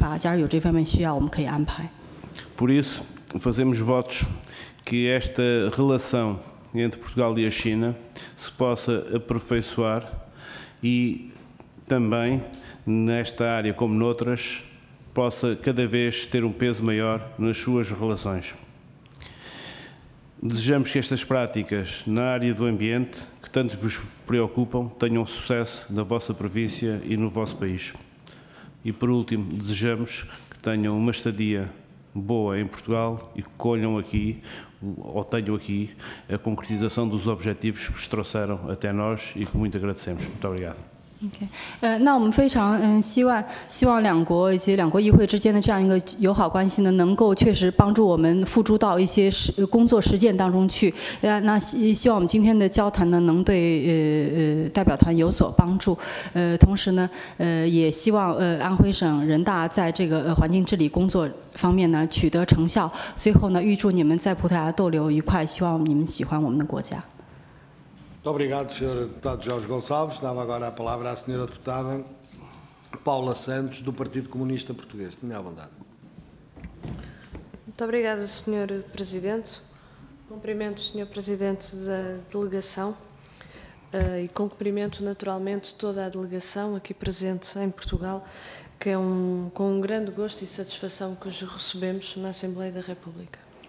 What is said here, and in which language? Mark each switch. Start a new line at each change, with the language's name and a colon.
Chinese: 刚才所讲到的这些，就是从基础建设角度对环保进行的治理呢。假使这次代表团访问时间引起的话呢，我们很愿意安排这方面的访问，使得你们能够实地的呢看到我们在这个水处理啊、空气质量控制这方面所进行的投资，或者呢，这对你们来说可以有所帮助，也许能做到一些启发。假如有这方面需要，我们可以安排。
Portuguese: Por isso, fazemos votos que esta relação entre Portugal e a China se possa aperfeiçoar e também nesta área como noutras possa cada vez ter um peso maior nas suas relações. Desejamos que estas práticas na área do ambiente, que tanto vos preocupam, tenham sucesso na vossa província e no vosso país. E por último, desejamos que tenham uma estadia boa em Portugal e que colham aqui ou tenham aqui a concretização dos objetivos que os trouxeram até nós e que muito agradecemos. Muito obrigado.
Chinese: OK， 那我们非常希望两国以及两国议会之间的这样一个友好关系呢，能够确实帮助我们付诸到一些工作实践当中去。那希望我们今天的交谈呢，能对代表团有所帮助。同时呢，也希望安徽省人大在这个环境治理工作方面呢取得成效。最后呢，预祝你们在葡萄牙逗留愉快，希望你们喜欢我们的国家。
Portuguese: Muito obrigado, Sr. Deputado Jorge Gonçalves. Dava agora a palavra à Sra. Deputada Paula Santos, do Partido Comunista Português. Tenha a bondade. Muito obrigada, Sr. Presidente. Cumprimento o Sr. Presidente da Delegação e cumprimento, naturalmente, toda a delegação aqui presente em Portugal, que é com um grande gosto e satisfação que os recebemos na Assembleia da República.